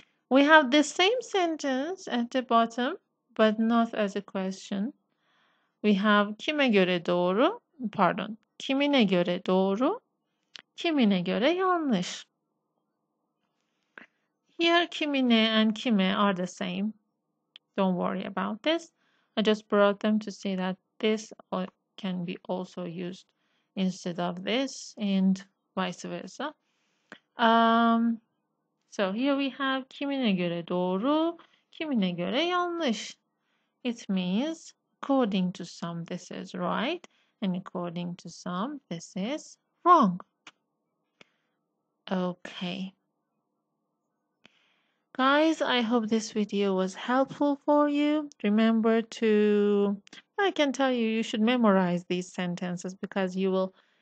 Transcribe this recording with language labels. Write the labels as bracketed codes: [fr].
[en] We have the same sentence at the bottom, but not as a question. We have [tr] kime göre doğru, pardon, kimine göre doğru, kimine göre yanlış. [en] Here, kimine and kime are the same. Don't worry about this. I just brought them to say that this can be also used instead of this and vice versa. So here we have [tr] kimine göre doğru, kimine göre yanlış. [en] It means according to some this is right and according to some this is wrong. Okay. Guys, I hope this video was helpful for you. Remember to, I can tell you, you should memorize these sentences because you will